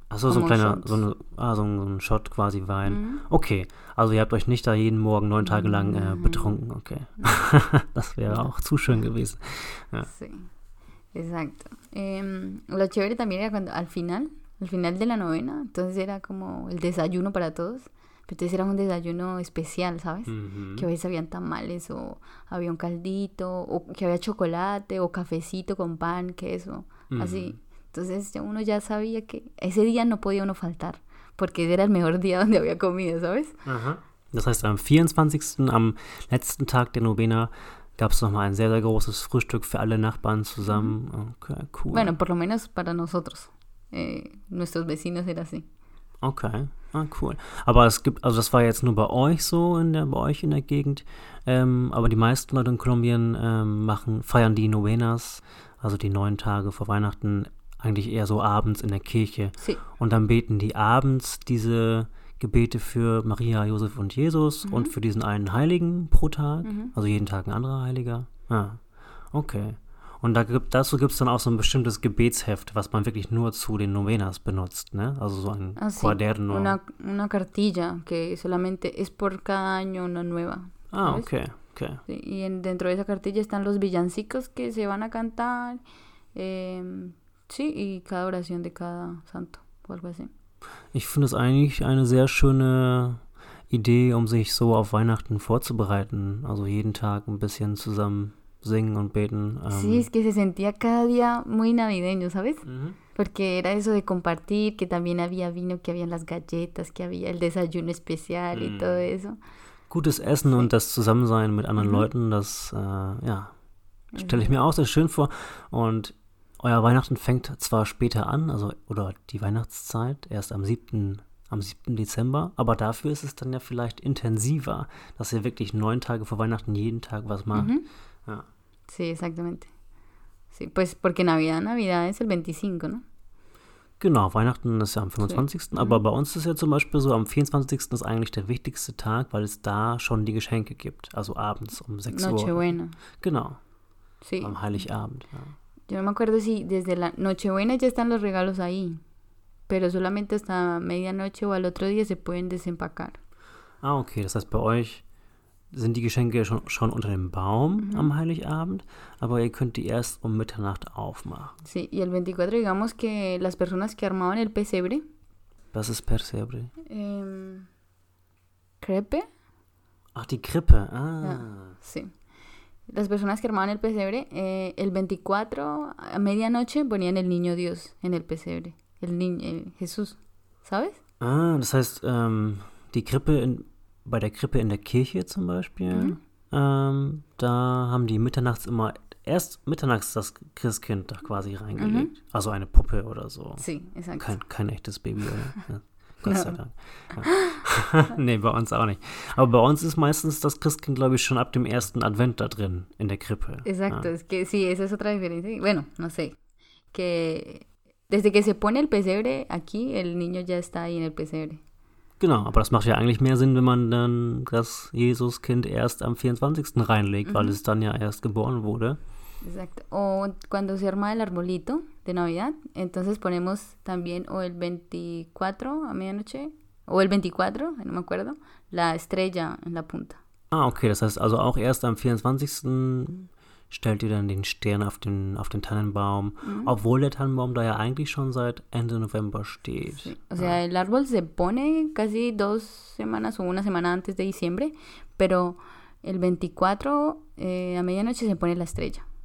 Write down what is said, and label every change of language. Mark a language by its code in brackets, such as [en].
[de] Achso, so ein kleiner, so ein Shot quasi Wein. Mhm. Okay, also ihr habt euch nicht da jeden Morgen 9 Tage lang betrunken, okay. Das wäre auch zu schön gewesen. Ja. [es] Sí, exacto. Lo chévere también era cuando al final de la novena, entonces era como el desayuno para todos. Entonces era un desayuno especial, ¿sabes? Mm-hmm. Que a veces habían tamales o había un caldito o que había chocolate o cafecito con pan, queso, mm-hmm. así. Entonces ya uno ya sabía que ese día no podía uno faltar porque ese era el mejor día donde había comido, ¿sabes? Ajá. [de] Das heißt, am 24., am letzten Tag der Novena, gab es nochmal ein sehr, sehr großes Frühstück für alle Nachbarn zusammen. Okay, cool. [es] Bueno, por lo menos para nosotros. Nuestros vecinos era así. [de] Okay. Ah, cool. Aber es gibt, also das war jetzt nur bei euch so, bei euch in der Gegend. Aber die meisten Leute in Kolumbien feiern die Novenas, also die 9 Tage vor Weihnachten, eigentlich eher so abends in der Kirche. [es] Sí. [de] Und dann beten die abends diese Gebete für Maria, Josef und Jesus mhm. und für diesen einen Heiligen pro Tag. Mhm. Also jeden Tag ein anderer Heiliger. Ja. Okay. Und dazu gibt es dann auch so ein bestimmtes Gebetsheft, was man wirklich nur zu den Novenas benutzt, ne? Also so ein Cuaderno. [es] Una cartilla, que solamente es por cada año una nueva. Ah, okay. Y dentro de esa cartilla están los villancicos que se van a cantar, sí, y cada oración de cada santo, o algo así. [de] Ich finde es eigentlich eine sehr schöne Idee, um sich so auf Weihnachten vorzubereiten, also jeden Tag ein bisschen zusammen singen und beten. [es] Sí, es que se sentía cada día muy navideño, ¿sabes? Mm-hmm. Porque era eso de compartir, que también había vino, que había las galletas, que había el desayuno especial mm. y todo eso. [de] Gutes Essen [es] sí. [de] und das Zusammensein mit anderen mm-hmm. Leuten, das, stelle ich mir auch sehr schön vor. Und Euer Weihnachten fängt zwar später an, also oder die Weihnachtszeit erst am 7. Dezember, aber dafür ist es dann ja vielleicht intensiver, dass ihr wirklich 9 Tage vor Weihnachten jeden Tag was macht. Mhm. Ja. [es] Sí, exactamente. Sí, pues porque Navidad es el 25, ¿no? [de] Genau, Weihnachten ist ja am 25. Aber bei uns ist ja zum Beispiel so, am 24. ist eigentlich der wichtigste Tag, weil es da schon die Geschenke gibt. Also abends um 6 [es] Noche [de] Uhr. [es] Nochebuena. [de] Genau. [es] Sí. [de] Am Heiligabend. Ja. [es] Yo no me acuerdo si desde la Nochebuena ya están los regalos ahí. Pero solamente hasta medianoche o al otro día se pueden desempacar. Ah, okay. [de] Das heißt, bei euch sind die Geschenke schon unter dem Baum am Heiligabend, aber ihr könnt die erst um Mitternacht aufmachen. [es] Sí, y el 24, digamos que las personas que armaban el pesebre. [de] Was ist Pesebre? Krippe. Ach, die Krippe, ah. Ja, [es] sí. Las personas que armaban el pesebre, el 24, a medianoche, ponían el niño Dios en el pesebre. El niño, Jesús, ¿sabes? [de] Ah, das heißt, die Krippe in... Bei der Krippe in der Kirche zum Beispiel, da haben die mitternachts immer, erst mitternachts das Christkind da quasi reingelegt. Mhm. Also eine Puppe oder so. Sí, exacto. Kein echtes Baby, oder? Ja. Gott sei Dank. Ja. Nee, bei uns auch nicht. Aber bei uns ist meistens das Christkind, glaube ich, schon ab dem ersten Advent da drin, in der Krippe. [es] Exacto, [de] ja. [es] Es que, sí, esa es otra diferencia. Bueno, no sé. Que desde que se pone el pesebre aquí, el niño ya está ahí en el pesebre. [de] Genau, aber das macht ja eigentlich mehr Sinn, wenn man dann das Jesuskind erst am 24. reinlegt, weil es dann ja erst geboren wurde. [es] Exacto. [de] Und [es] cuando se arma el arbolito de Navidad, entonces ponemos también o el 24 a medianoche, o el 24, no me acuerdo, la estrella en la punta. [de] Ah, okay, das heißt also auch erst am 24. stellt ihr dann den Stern auf den Tannenbaum, obwohl der Tannenbaum da ja eigentlich schon seit Ende November steht. [es] Sí. O sea, el árbol se pone casi 2 semanas o 1 semana antes de diciembre, pero el 24 a medianoche se pone la estrella.